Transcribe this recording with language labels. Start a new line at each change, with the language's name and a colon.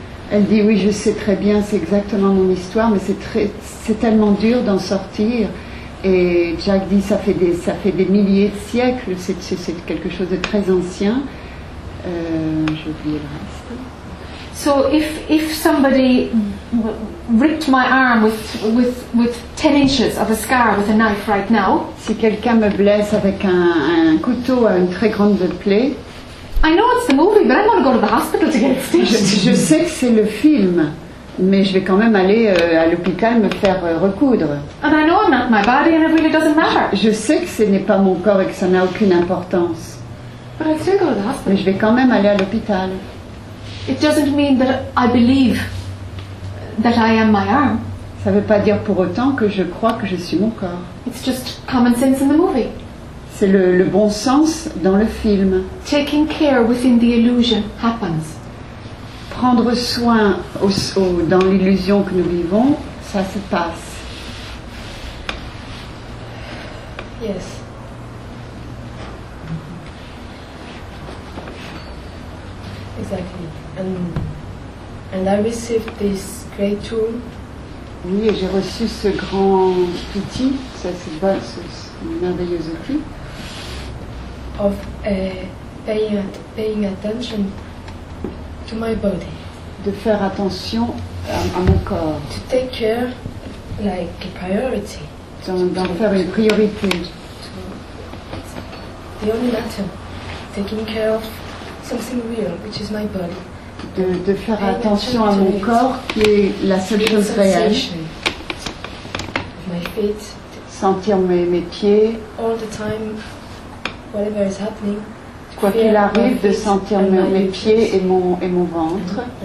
French: Elle dit oui, je sais très bien, c'est exactement mon histoire, mais c'est tellement dur d'en sortir. Et Jack dit ça fait des milliers de siècles, c'est quelque chose de très ancien. J'ai oublié le reste.
English: So if somebody ripped my arm with 10 inches of a scar with a knife right now.
French: Si quelqu'un me blesse avec un couteau à une très grande plaie.
English: I know it's the movie, but I want to go to the hospital to get stitched.
French: Je sais que c'est le film, Mais je vais quand même aller à l'hôpital me faire recoudre.
English: And I know I'm not my body and it really doesn't matter.
French: Je sais que ce n'est pas mon corps et que ça n'a aucune importance.
English: But I'll still go to the hospital.
French: Mais je vais quand même aller à l'hôpital.
English: It doesn't mean that I believe that I am my arm.
French: Ça ne veut pas dire pour autant que je crois que je suis mon corps.
English: It's just common sense in the movie.
French: C'est le bon sens dans le film.
English: Taking care within the illusion happens.
French: Prendre soin dans l'illusion que nous vivons, ça se passe.
English: Yes. Exactly. And I received this great tool.
French: Oui, et j'ai reçu ce grand outil, ce merveilleux outil.
English: Of paying attention to my body.
French: De faire attention à mon corps.
English: To take care like a priority.
French: D'en faire une priorité.
English: The only matter, taking care of something real, which is my body.
French: De faire attention à mon corps, qui est la seule chose réelle.
English: My feet.
French: Sentir mes pieds.
English: All the time. Whatever is happening,
French: quoi qu'il arrive, de sentir mes pieds et mon ventre,